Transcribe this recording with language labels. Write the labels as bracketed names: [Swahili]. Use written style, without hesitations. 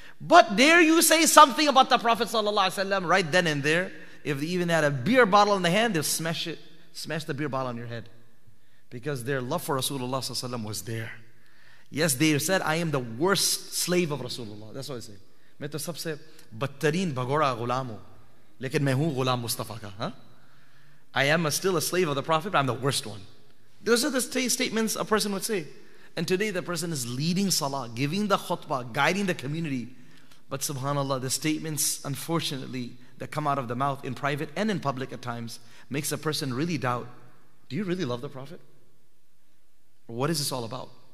[English] But dare you say something about the Prophet sallallahu alaihi wasallam right then and there? If they even had a beer bottle in the hand, they'll smash it. Smash the beer bottle on your head. Because their love for Rasulullah sallallahu alaihi wasallam was there. Yes, they said, I am the worst slave of Rasulullah. That's what I say. [Urdu] میں تو سب سے بدترین بھگوڑا غلام ہوں۔ لیکن میں ہوں غلام مصطفیٰ کا۔ Huh? [English] I am still a slave of the Prophet, but I'm the worst one. Those are the statements a person would say. And today the person is leading salah, giving the khutbah, guiding the community. But subhanAllah, the statements, unfortunately, that come out of the mouth in private and in public at times, makes a person really doubt, do you really love the Prophet? What is this all about?